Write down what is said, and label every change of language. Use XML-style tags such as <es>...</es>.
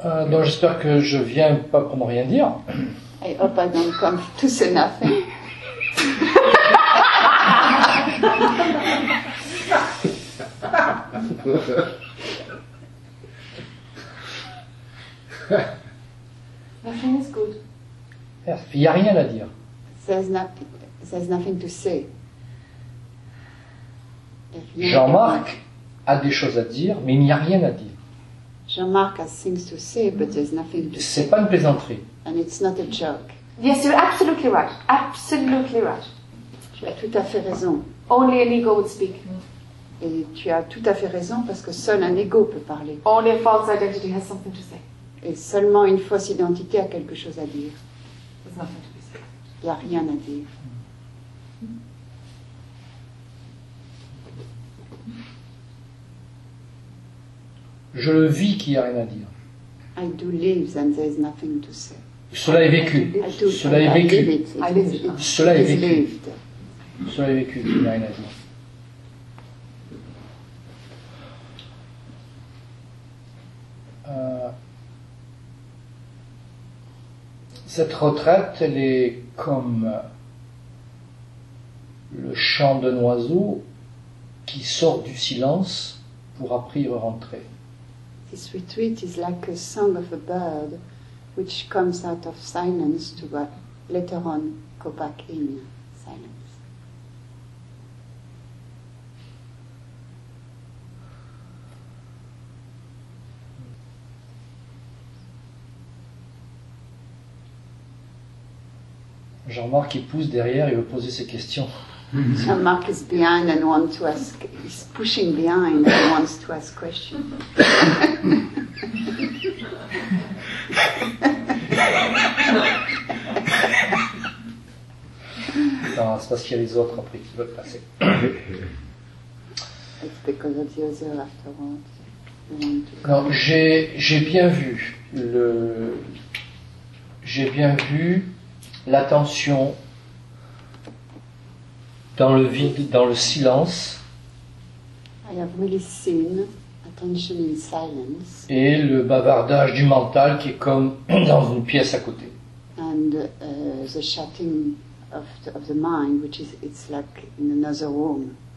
<fr>Donc j'espère que je viens pas pour ne rien dire.</fr> <en>I hope I don't come to say nothing. Nothing is good.</en> <fr>Il n'y a rien à dire.</fr> <en>There's nothing to say.</en> <fr>Jean-Marc a des choses à dire, mais il n'y a rien à dire.</fr> <en>Jean-Marc has things to say, but there's nothing to say.</en> <fr>C'est pas une plaisanterie.</fr> <en>And it's not a joke. Yes, you're absolutely right. Absolutely right.</en> <fr>Tu as tout à fait raison.</fr> <en>Only an ego would speak.</en> <fr>Et tu as tout à fait raison parce que seul un ego peut parler.</fr> <en>Only a false identity has something to say.</en> <fr>Et seulement une fausse identité a quelque chose à dire.</fr> <en>There's nothing to be said.</en> <fr>Il n'y a rien à dire. Je le vis qu'il n'y a rien à dire.</fr> <en>I do live and there is nothing to say.</en> <fr>Cela est vécu. Cela est vécu. Cela est vécu. Cela est vécu qu'il n'y a rien à dire. Cette retraite, elle est comme le chant d'un oiseau qui sort du silence pour après y rentrer.</fr> <en>This retreat is like a song of a bird which comes out of silence to later on go back in silence. Mm.</en> <fr>Jean-Marc il pousse derrière, il veut poser ses questions.</fr> <en>Jean-Marc is behind and wants to ask. He's pushing behind and wants to ask questions.</en> <fr>Non, c'est parce qu'il y a les autres après qui veulent passer.</fr> <en>It's because of the other afterwards.</en> <fr>Non, j'ai bien vu l'attention dans le vide, dans le silence.</fr> <en>I have really seen attention in silence.</en> <fr>Et le bavardage du mental qui est comme dans une pièce à côté.</fr> <en>And the chatting of the mind, which is it's like in another room.</en>